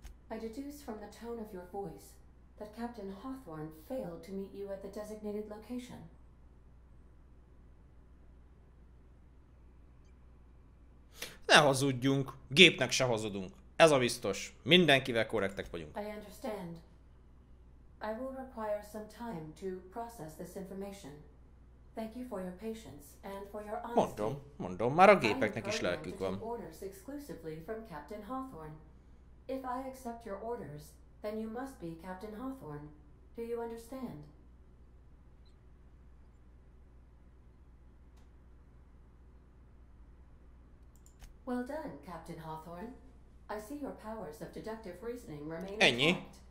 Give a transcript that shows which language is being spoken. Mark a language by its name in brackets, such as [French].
[English] I deduce from the tone of your voice that Captain Hawthorne failed to meet you at the designated location. [Hungarian] Ne hazudjunk, gépnek se hazudunk. Ez a biztos. Mindenkivel korrektek vagyunk. [English] I understand. I will require some time to process this information. Thank you for your patience and for your honesty. [Hungarian] Mondom, már a gépeknek is lelkük van. [English] Orders exclusively from Captain Hawthorne. If I accept your orders, then you must be Captain Hawthorne. Do you understand? Well done, Captain Hawthorne. I see your powers of deductive reasoning remain intact.